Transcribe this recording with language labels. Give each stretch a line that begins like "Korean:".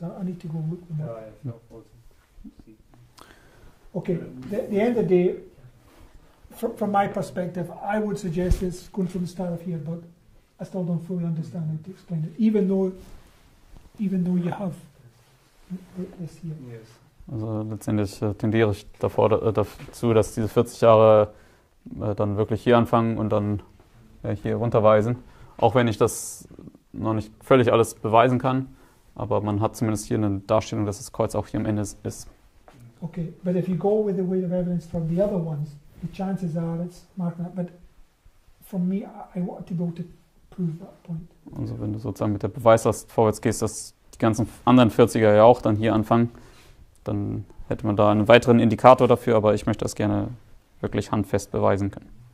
English: I need to go look them up. Okay, the end of the day. From my perspective, I would suggest it's going from the start of here, but I still don't fully understand how to explain it, even though you have this here. Yes.
German: Also letztendlich tendiere ich dazu, dass diese 40 Jahre dann wirklich hier anfangen und dann hier runterweisen, auch wenn ich das noch nicht völlig alles beweisen kann, aber man hat zumindest hier eine Darstellung, dass das Kreuz auch hier am Ende ist.
English: Okay, but if you go with the weight of evidence from the other ones, the chances are it's marked that, but for me, I want to be able to prove that point.
German: Also wenn du sozusagen mit der Beweislast vorwärts gehst, dass die ganzen anderen 40er ja auch dann hier anfangen, dann hätte man da einen weiteren Indikator dafür, aber ich möchte das gerne wirklich handfest beweisen können.